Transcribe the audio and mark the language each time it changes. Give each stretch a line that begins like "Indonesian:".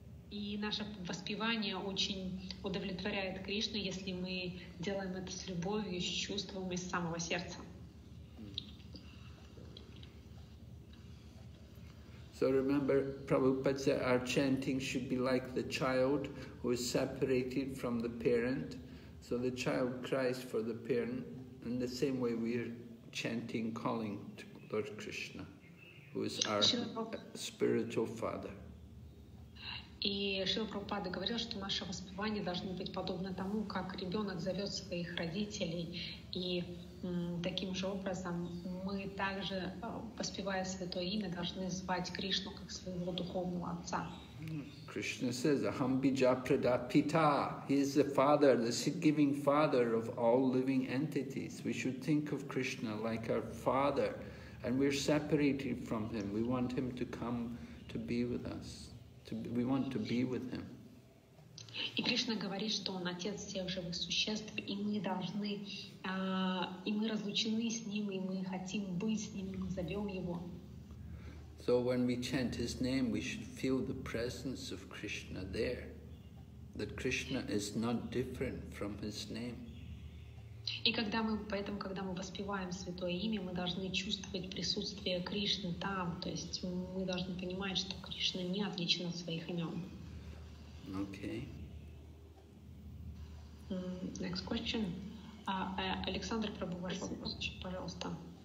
Russian: И наше воспевание очень удовлетворяет Кришну, если мы делаем это с любовью, с чувством из самого сердца.
English: So remember, Prabhupada said our chanting should be like the child who is separated from the parent. So the child cries for the parent, in the same way we are chanting, calling to Lord Krishna, who is our spiritual father.
Russian: И Шрила Прабхупада говорил, что наше воспевание должно быть подобно тому, как ребенок зовет своих родителей, и таким же образом мы также, воспевая святое имя, должны звать Кришну как своего духовного отца.
English: Krishna says,
Sanskrit: Aham bija pradapita.
English: He is the father, the seed-giving father of all living entities. We should think of Krishna like our father, and we're separated from him. We want him to come to be with us. We want to be with him.
Russian: И Кришна говорит, что он отец всех живых существ, и мы должны, и мы разлучены с ним, и мы хотим быть с ним, мы зовем его.
English: So when we chant his name, we should feel the presence of Krishna there, that Krishna is not different from his name.
Russian: И когда мы воспеваем святое имя, мы должны чувствовать присутствие Кришны там, то есть мы должны понимать, что Кришна не отличен от своих имен.
English: Okay. Next question.
Russian: Александр Прабху, ваш вопрос, пожалуйста.